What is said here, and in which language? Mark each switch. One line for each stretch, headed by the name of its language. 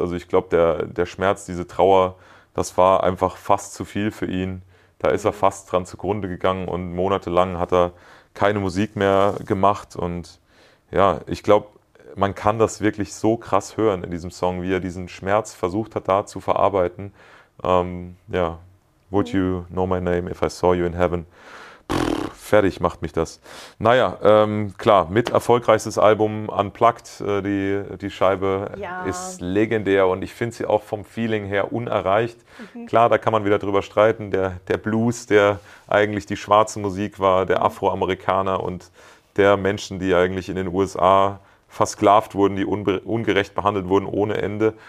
German: Also ich glaube, der Schmerz, diese Trauer, das war einfach fast zu viel für ihn. Da ist er fast dran zugrunde gegangen und monatelang hat er keine Musik mehr gemacht. Und ja, ich glaube, man kann das wirklich so krass hören in diesem Song, wie er diesen Schmerz versucht hat, da zu verarbeiten.
English: Ja, would you know my name if I saw you in heaven?
German: Pff, fertig macht mich das. Naja, klar, mit erfolgreichstes Album Unplugged, die Scheibe ist legendär und ich finde sie auch vom Feeling her unerreicht. Klar, da kann man wieder drüber streiten. Der Blues, der eigentlich die schwarze Musik war, der Afroamerikaner und der Menschen, die eigentlich in den USA versklavt wurden, die ungerecht behandelt wurden ohne Ende.